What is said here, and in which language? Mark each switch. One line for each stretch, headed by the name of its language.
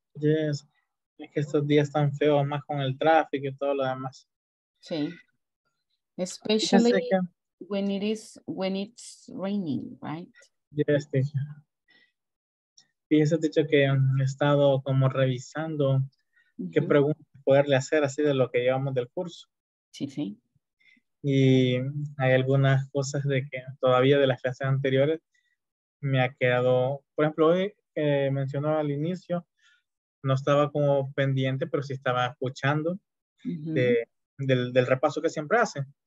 Spanish: Yes, es que estos días están feos, más con el tráfico y todo lo demás.
English: Sí, especially when it is, when it's raining, right? Yes, teacher.
Spanish: Fíjese, teacher, que he estado como revisando qué preguntas poderle hacer así de lo que llevamos del curso. Sí, sí. Y hay algunas cosas de que todavía de las clases anteriores me ha quedado, por ejemplo, hoy mencionó al inicio, no estaba como pendiente, pero sí estaba escuchando del repaso que siempre hace.